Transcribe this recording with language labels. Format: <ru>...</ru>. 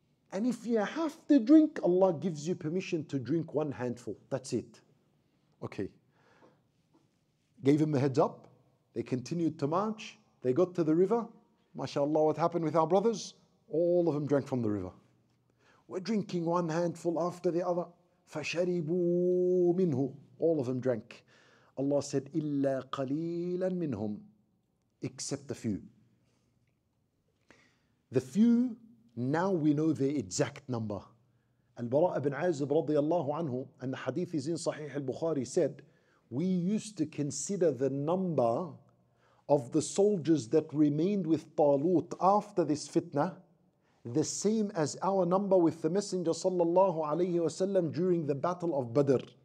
<en>And if you have to drink, Allah gives you permission to drink one handful. That's it. Okay. Gave him a heads up. They continued to march. They got to the river. MashaAllah, what happened with our brothers? All of them drank from the river. We're drinking one handful after the other.</en> <ar>فَشَرِبُوا مِنْهُ.</ar> <en>All of them drank. Allah said,</en> <ar>إِلَّا قَلِيلًا مِنْهُمْ.</ar> <en>Except a few. The few, now we know the exact number. Al-Bara' ibn Azib radiallahu anhu, and the hadith is in Sahih al-Bukhari, said, we used to consider the number of the soldiers that remained with Talut after this fitna the same as our number with the Messenger sallallahu alayhi wa sallam during the Battle of Badr.</en>